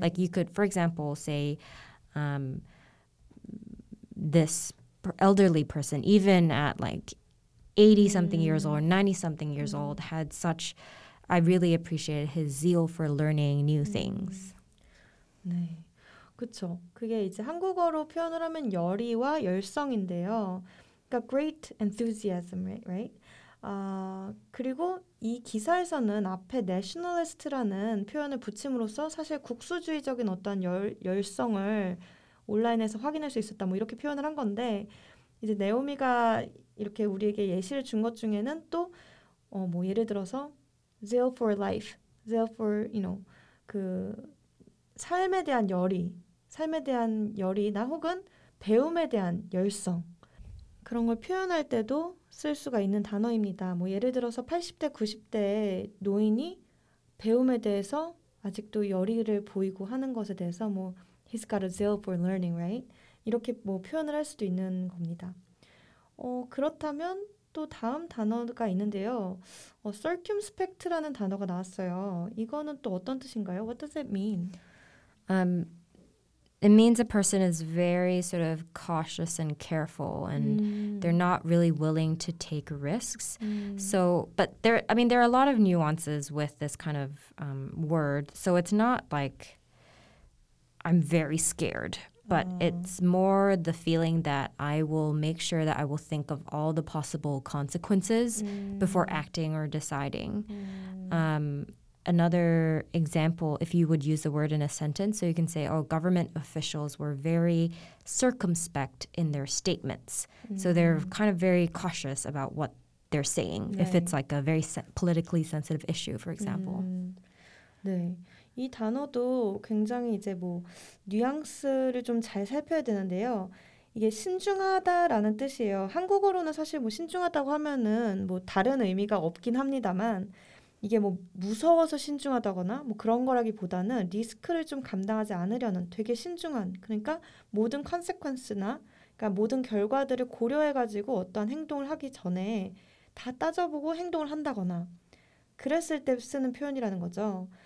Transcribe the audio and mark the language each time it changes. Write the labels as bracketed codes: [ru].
[en] Like you could, for example, say this elderly person, even at like 80 something years old, 90 something years old, had such, I really appreciated his zeal for learning new things. [ko] 네, 그렇죠. 그게 이제 한국어로 표현을 하면 열의와 열성인데요. 그러니까 [en] great enthusiasm, right? [ko] 그리고 이 기사에서는 앞에 nationalist라는 표현을 붙임으로써 사실 국수주의적인 어떤 열성을 온라인에서 확인할 수 있었다, 뭐 이렇게 표현을 한 건데, 이제 네오미가 이렇게 우리에게 예시를 준 것 중에는 또 뭐 예를 들어서 [en] zeal for life, zeal for, you know, [ko] 그 삶에 대한 열의, 삶에 대한 열의나 혹은 배움에 대한 열성, 그런 걸 표현할 때도 쓸 수가 있는 단어입니다. 뭐 예를 들어서 80대, 90대의 노인이 배움에 대해서 아직도 열의를 보이고 하는 것에 대해서 뭐 [en] he's got a zeal for learning, right? [ko] 이렇게 뭐 표현을 할 수도 있는 겁니다. 그렇다면 또 다음 단어가 있는데요. Circumspect라는 단어가 나왔어요. 이거는 또 어떤 뜻인가요? [en] What does it mean? It means a person is very sort of cautious and careful, and they're not really willing to take risks. So, but there, I mean, there are a lot of nuances with this kind of word. So it's not like I'm very scared. But it's more the feeling that I will make sure that I will think of all the possible consequences before acting or deciding. Another example, if you would use the word in a sentence, so you can say, oh, government officials were very circumspect in their statements. So they're kind of very cautious about what they're saying, if it's like a very politically sensitive issue, for example. [ko] 네. 이 단어도 굉장히 이제 뭐 뉘앙스를 좀 잘 살펴야 되는데요. 이게 신중하다라는 뜻이에요. 한국어로는 사실 뭐 신중하다고 하면은 뭐 다른 의미가 없긴 합니다만, 이게 뭐 무서워서 신중하다거나 뭐 그런 거라기보다는 리스크를 좀 감당하지 않으려는 되게 신중한, 그러니까 모든 컨세퀀스나 그러니까 모든 결과들을 고려해가지고 어떤 행동을 하기 전에 다 따져보고 행동을 한다거나 그랬을 때 쓰는 표현이라는 거죠.